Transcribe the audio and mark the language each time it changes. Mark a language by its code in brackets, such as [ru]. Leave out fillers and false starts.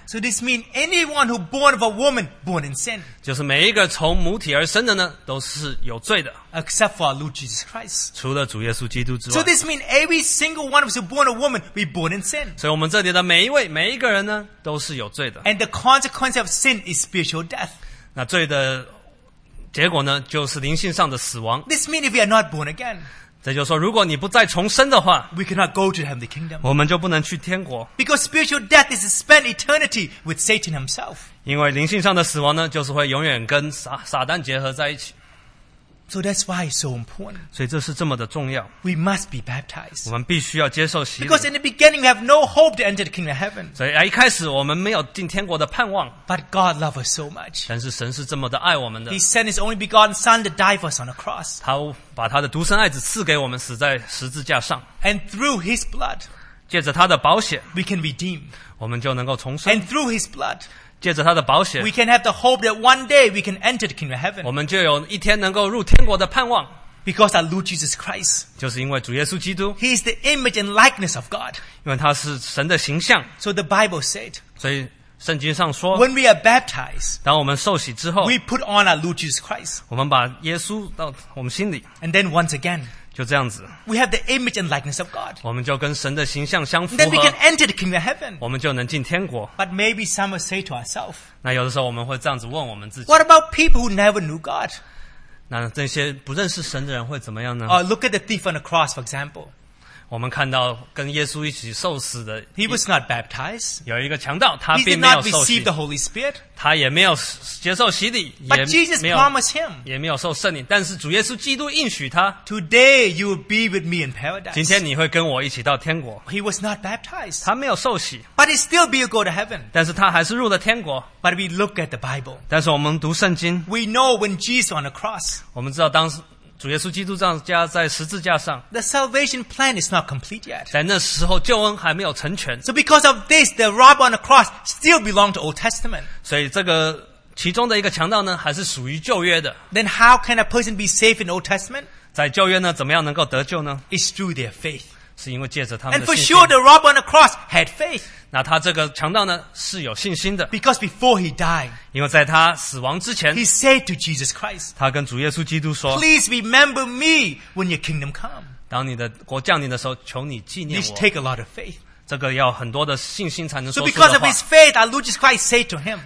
[en] So this means anyone who born of a woman born in sin [zh] 就是每一个从母体而生的呢都是有罪的 [en] Except for our Lord Jesus Christ [zh] 除了主耶稣基督之外 [en] So this means every single one of us who born a woman we born in sin [zh] 所以我们这里的每一位每一个人呢都是有罪的 [en] And the consequence of sin is spiritual death [zh] 那罪的结果呢就是灵性上的死亡 [en] This means if we are not born again [zh] 这就是说如果你不再重生的话 [en] We cannot go to heaven the kingdom. [zh] 我们就不能去天国 [en] Because spiritual death is to spend eternity with Satan himself [zh] 因为灵性上的死亡呢就是会永远跟撒旦结合在一起 [en] So that's why it's so important [zh] 所以这是这么的重要 [en] We must be baptized [zh] 我们必须要接受洗礼 [en] Because in the beginning we have no hope to enter the kingdom of heaven [zh] 所以一开始我们没有进天国的盼望 [en] But God loves us so much [zh] 但是神是这么的爱我们的 [en] He sent his only begotten son to die for us on the cross [zh] 他把他的独生爱子赐给我们死在十字架上 [en] And through his blood [zh] 借着他的宝血 [en] We can redeem [zh] 我们就能够重生 [en] And through his blood [zh] 借着他的宝血 [en] We can have the hope that one day we can enter the kingdom of heaven [zh] 我们就有一天能够入天国的盼望 [en] Because our Lord Jesus Christ [zh] 就是因为主耶稣基督 [en] He is the image and likeness of God [zh] 因为他是神的形象 [en] So the Bible said [zh] 所以圣经上说 [en] When we are baptized [zh] 当我们受洗之后 [en] We put on our Lord Jesus Christ [zh] 我们把耶稣到我们心里 [en] And then once again [zh] 就这样子 [en] We have the image and likeness of God [zh] 我们就跟神的形象相符合 [en] Then we can enter the kingdom of heaven [zh] 我们就能进天国 [en] But maybe some will say to ourselves [zh] 那有的时候我们会这样子问我们自己 [en] What about people who never knew God [zh] 那这些不认识神的人会怎么样呢 [en] Look at the thief on the cross for example [zh] 我们看到跟耶稣一起受死的 [en] He was not baptized [zh] 有一个强盗他并没有受洗 [en] He did not receive the Holy Spirit [zh] 他也没有接受洗礼 [en] But Jesus promised him [zh] 也没有受圣灵但是主耶稣基督应许他 [en] Today you will be with me in paradise [zh] 今天你会跟我一起到天国 [en] He was not baptized [zh] 他没有受洗 [en] But he still be able to go to heaven [zh] 但是他还是入了天国 [en] But we look at the Bible [zh] 但是我们读圣经 [en] We know when Jesus on the cross [zh] 我们知道当时主耶稣基督在十字架上 [en] The salvation plan is not complete yet [zh] 在那时候救恩还没有成全 [en] So because of this the robber on the cross still belong to Old Testament [zh] 所以这个其中的一个强盗呢，还是属于旧约的。 [en] Then how can a person be safe in Old Testament? [zh] 在旧约呢，怎么样能够得救呢 [en] ？It's through their faith. [zh] 是因为借着他们的信心。 [en] And for sure, the robber on the cross had faith. [zh] 那他这个强盗呢，是有信心的。 [en] Because before he died, [zh] 因为在他死亡之前 [en] ，he said to Jesus Christ, [zh] 他跟主耶稣基督说 [en] ，Please remember me when your kingdom come. [zh] 当你的国降临的时候，求你纪念我。 [en] This take a lot of faith. [zh] 这个要很多的信心才能说出的话。 [en] So because of his faith, our Lord Jesus Christ said to him,